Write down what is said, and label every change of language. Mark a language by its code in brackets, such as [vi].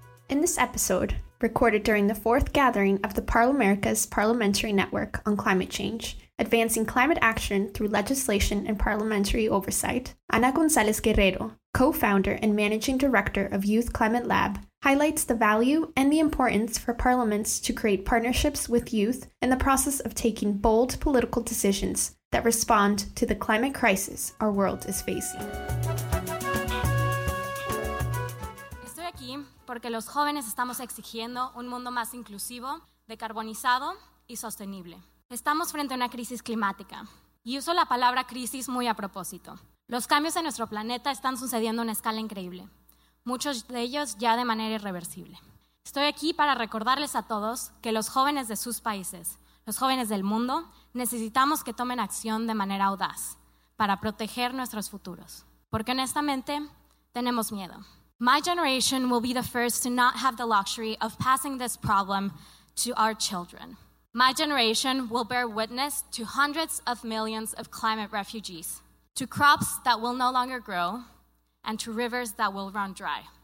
[en] this episode, recorded during the fourth gathering of the Parlamerica's Parliamentary Network on Climate Change, Advancing Climate Action Through Legislation and Parliamentary Oversight, Ana González Guerrero, co-founder and managing director of Youth Climate Lab, highlights the value and the importance for parliaments to create partnerships with youth in the process of taking bold political decisions that respond to the climate crisis our world is facing. [es] Estoy aquí porque los jóvenes estamos exigiendo un mundo más inclusivo, decarbonizado y sostenible. Estamos frente a una crisis climática y uso la palabra crisis muy a propósito. Los cambios en nuestro planeta están sucediendo a una escala increíble, muchos de ellos ya de manera irreversible. Estoy aquí para recordarles a todos que los jóvenes de sus países, los jóvenes del mundo, necesitamos que tomen acción de manera audaz para proteger nuestros futuros. Porque honestamente, tenemos miedo. [en] My generation will be the first to not have the luxury of passing this problem to our children. My generation will bear witness to hundreds of millions of climate refugees, to crops that will no longer grow, and to rivers that will run dry.